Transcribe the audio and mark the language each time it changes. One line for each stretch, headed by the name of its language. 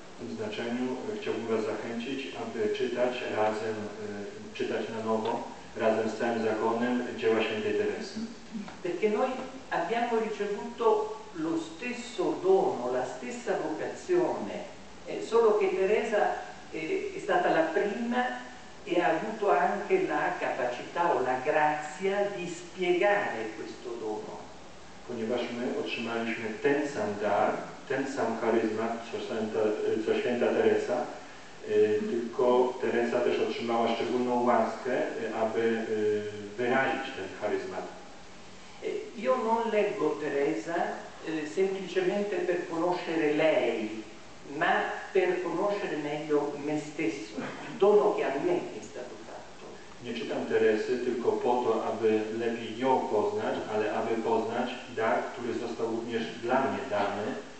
Polish: W tym znaczeniu chciałbym Was zachęcić, aby czytać razem, czytać na nowo, razem z całym zakonem dzieła świętej Teresy.
Italian: Perché noi abbiamo ricevuto lo stesso dono, la stessa vocazione, solo che Teresa è stata la prima e ha avuto anche la capacità o la grazia di spiegare questo dono.
Polish: Ponieważ my otrzymaliśmy ten sam dar, ten sam charyzmat, co święta Teresa, tylko Teresa też otrzymała szczególną łaskę, aby wyrazić ten charyzmat.
Italian: Io non leggo Teresa semplicemente per conoscere lei, ma per conoscere meglio me stesso, il dono che a me è stato fatto.
Polish: Nie czytam Teresy tylko po to, aby lepiej ją poznać, ale aby poznać dar, który został również dla mnie dany.